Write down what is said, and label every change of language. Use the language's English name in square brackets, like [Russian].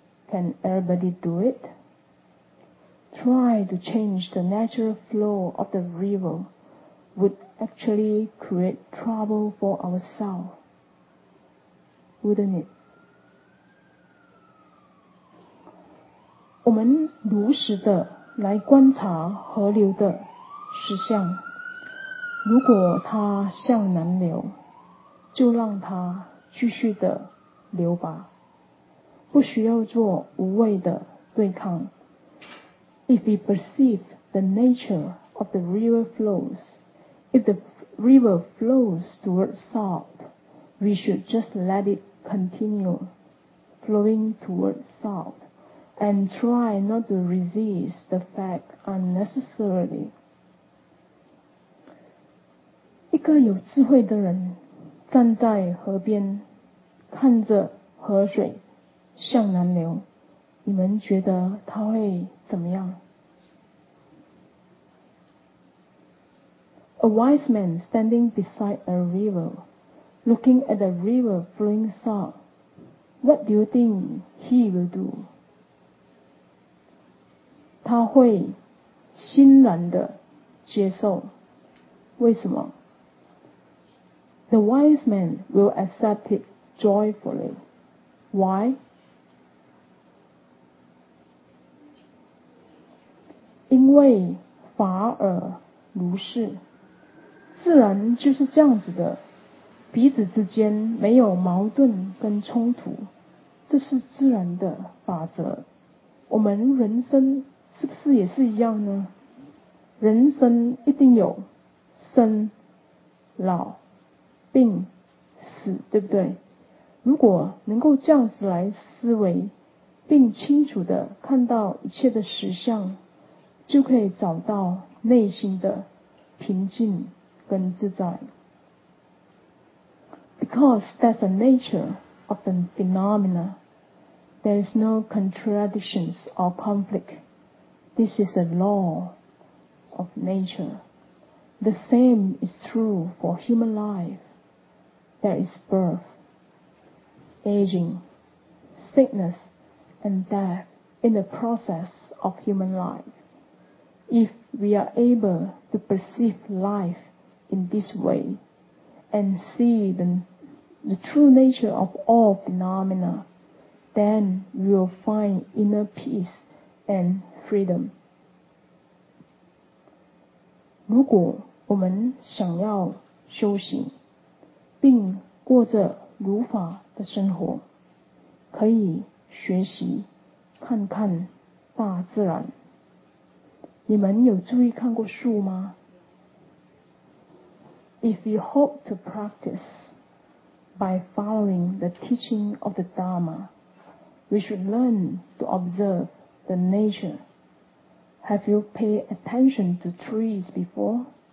[English] Can everybody do it? Try to change the natural flow of the river would actually create trouble for ourselves, wouldn't it? [Chinese] 我们如实的来观察河流的实相，如果它向南流，就让它继续的流吧，不需要做无谓的对抗。 [English] If we perceive the nature of the river flows, if the river flows towards south, we should just let it continue flowing towards southAnd try not to resist the fact unnecessarily. [Chinese] 一个有智慧的人站在河边看着河水向南流，你们觉得他会怎么样？ [English] A wise man standing beside a river, looking at the river flowing south, what do you think he will do? [Chinese] 他会欣然的接受，为什么？ [English] The wise man will accept it joyfully. Why? [Chinese] 因为法尔如是，自然就是这样子的，彼此之间没有矛盾跟冲突，这是自然的法则。我们人生是不是也是一样呢？人生一定有生、老、病、死，对不对？如果能够这样子来思维，并清楚地看到一切的实相，就可以找到内心的平静跟自在。 [English] Because that's the nature of the phenomena, there is no contradictions or conflict. This is a law of nature. The same is true for human life. There is birth, aging, sickness, and death in the process of human life. If we are able to perceive life in this way and see the true nature of all phenomena, then we will find inner peace and freedom. [Chinese] 如果我们想要修行并过着如法的生活，可以学习看看大自然。你们有注意看过树吗？ [English] If you hope to practice by following the teaching of the Dharma, we should learn to observe the natureHave you paid attention to trees before?